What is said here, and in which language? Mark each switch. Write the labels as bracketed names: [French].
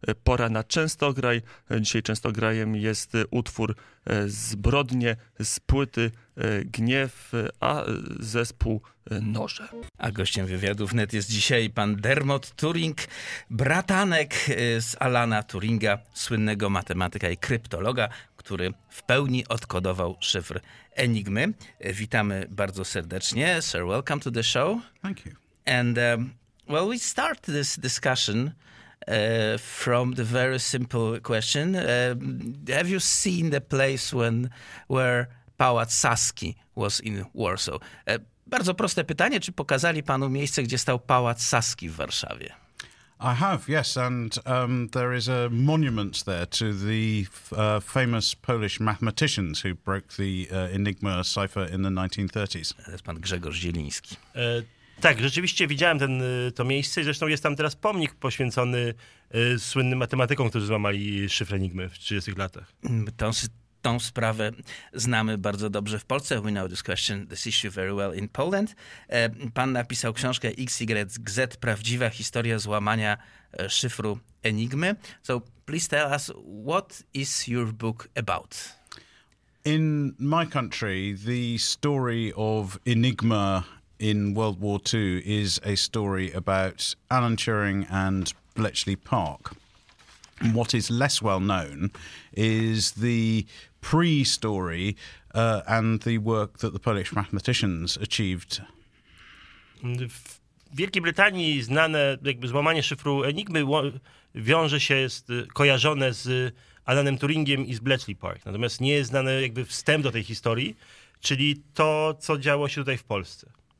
[Polish] Pora na Częstograj. Dzisiaj Częstograjem jest utwór Zbrodnie z płyty Gniew, a zespół Noże. A gościem wywiadu wnet jest dzisiaj pan Dermot Turing, bratanek z Alana Turinga, słynnego matematyka i kryptologa, który w pełni odkodował szyfr Enigmy. Witamy bardzo serdecznie. [English] Sir, welcome to the show. Thank you. And well, we start this discussion from the very simple question. Have you seen the place where Pałac Saski was in Warsaw? [Polish] Bardzo proste pytanie, czy pokazali panu miejsce, gdzie stał Pałac Saski w Warszawie? [English] I have, yes, and there is a monument there to the famous Polish mathematicians who broke the Enigma cipher in the 1930s. [Polish] To jest pan Grzegorz Zieliński. Tak, rzeczywiście widziałem to miejsce i zresztą jest tam teraz pomnik poświęcony słynnym matematykom, którzy złamali szyfrę Enigmy w 30-tych latach. Tą sprawę znamy bardzo dobrze w Polsce. [English] We know this question, this issue very well in Poland. [Polish] Pan napisał książkę XYZ, Prawdziwa historia złamania szyfru Enigmy. [English] So please tell us, what is your book about? In my country, the story of Enigma in World War II is a story about Alan Turing and Bletchley Park. And what is less well known is the pre-story and the work that the Polish mathematicians achieved. [Polish] W Wielkiej Brytanii znane jakby złamanie szyfru Enigmy wiąże się, jest kojarzone z Alanem Turingiem i z Bletchley Park. Natomiast nie jest znany jakby wstęp do tej historii, czyli to, co działo się tutaj w Polsce.